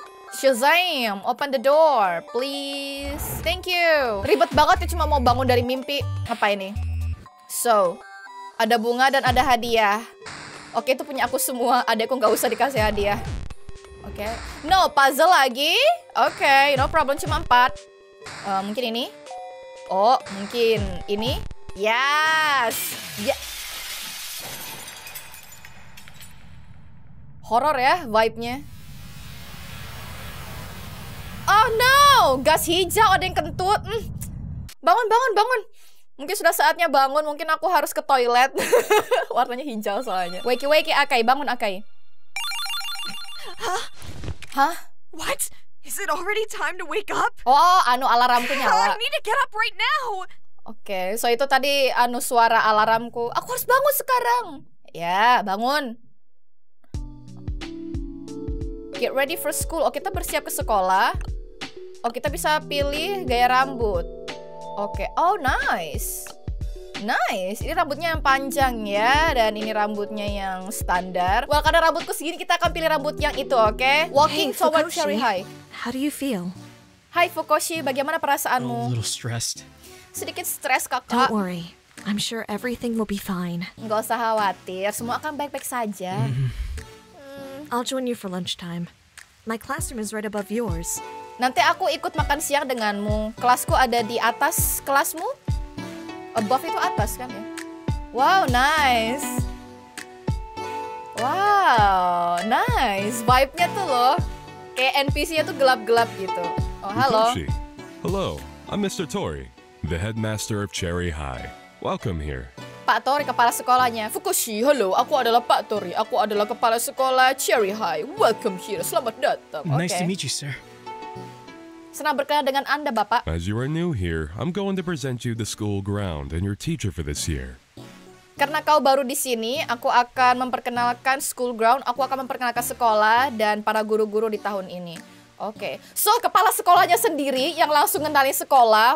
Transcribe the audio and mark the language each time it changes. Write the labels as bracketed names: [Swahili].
[English] Shazam, open the door, please. Thank you. [Indonesian] Ribet banget ya, cuma mau bangun dari mimpi. Apa ini? So, ada bunga dan ada hadiah. Oke, itu punya aku semua. Adekku nggak usah dikasih hadiah. Oke. No, puzzle lagi. Oke, no problem, cuma 4. Mungkin ini. Oh, mungkin ini. Yes. Yeah. Horror ya, vibe-nya. Oh no, gas hijau, ada yang kentut. Bangun. Mungkin sudah saatnya bangun, mungkin aku harus ke toilet. Warnanya hijau soalnya. Wakey, Akai, bangun Akai. [English] Hah? What? Is it already time to wake up? [Indonesian] Oh, alarmku nyala. [English] I need to get up right now. [Indonesian] Oke, so itu tadi suara alarmku. Aku harus bangun sekarang. Ya, bangun. [English] Get ready for school. [Indonesian] Oh, kita bersiap ke sekolah. Oh, kita bisa pilih gaya rambut. Oke, okay. Oh nice. Nice, ini rambutnya yang panjang ya. Dan ini rambutnya yang standar. Well, karena rambutku segini, kita akan pilih rambut yang itu, oke? [English] Okay? Walking forward, Cherry High. How do you feel? [Indonesian] Hai Fukoshi, bagaimana perasaanmu? [English] A little stressed. [Indonesian] Sedikit stres, kakak. [English] Don't worry, I'm sure everything will be fine. [Indonesian] Gak usah khawatir, semua akan baik-baik saja. [English] I'll join you for lunchtime. My classroom is right above yours. [Indonesian] Nanti aku ikut makan siang denganmu. Kelasku ada di atas kelasmu? Above itu atas kan ya? Wow, nice. Wow, nice. Vibe-nya tuh loh. Kayak NPC-nya tuh gelap-gelap gitu. Oh, halo. [English] Hello, I'm Mr. Tori, the headmaster of Cherry High. Welcome here. [Indonesian] Pak Tori, kepala sekolahnya. Fukushi, hello, aku adalah Pak Tori. Aku adalah kepala sekolah Cherry High. [English] Welcome here, [Indonesian] selamat datang. [English] Okay. Nice to meet you, sir. [Indonesian] Senang berkenalan dengan Anda, Bapak. [English] As you are new here, I'm going to present you the school ground and your teacher for this year. [Indonesian] Karena kau baru di sini, aku akan memperkenalkan school ground. Aku akan memperkenalkan sekolah dan para guru-guru di tahun ini. Oke. Okay. So, kepala sekolahnya sendiri yang langsung ngenalin sekolah.